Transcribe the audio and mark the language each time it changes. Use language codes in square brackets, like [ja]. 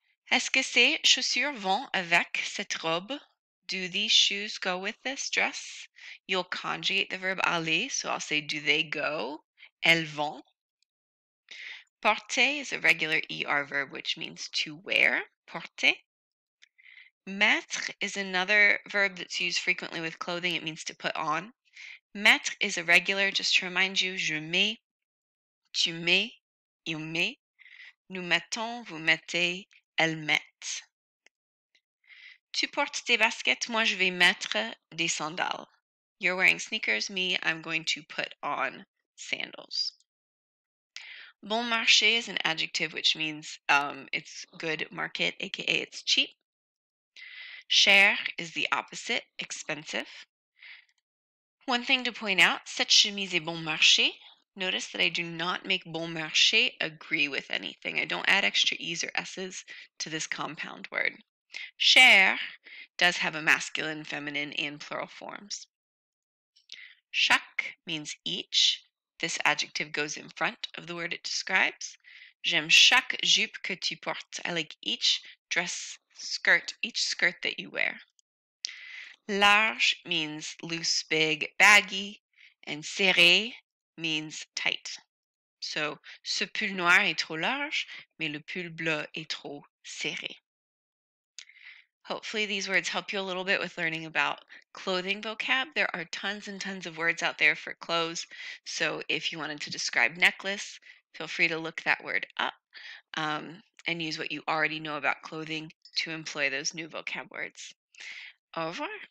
[fr] Est-ce que ces chaussures vont avec cette robe? [en] Do these shoes go with this dress? You'll conjugate the verb aller, so I'll say do they go? [fr] Elles vont. [en] Porter is a regular ER verb, which means to wear. Porter. Mettre is another verb that's used frequently with clothing. It means to put on. Mettre is a regular, just to remind you, [fr] je mets, tu mets, il met, nous mettons, vous mettez, elles mettent. Tu portes des baskets, moi je vais mettre des sandales. [en] You're wearing sneakers, me, I'm going to put on sandals. Bon marché is an adjective which means it's good market, aka it's cheap. Cher is the opposite, expensive. One thing to point out, [fr] cette chemise est bon marché. [en] Notice that I do not make bon marché agree with anything. I don't add extra E's or S's to this compound word. Cher does have a masculine, feminine, and plural forms. Chaque means each. This adjective goes in front of the word it describes. [fr] J'aime chaque jupe que tu portes. [en] I like each dress, skirt, each skirt that you wear. Large means loose, big, baggy. And serré means tight. [fr] So, ce pull noir est trop large, mais le pull bleu est trop serré. [en] Hopefully these words help you a little bit with learning about clothing vocab. There are tons and tons of words out there for clothes. So if you wanted to describe necklace, feel free to look that word up and use what you already know about clothing to employ those new vocab words. [fr] Au revoir.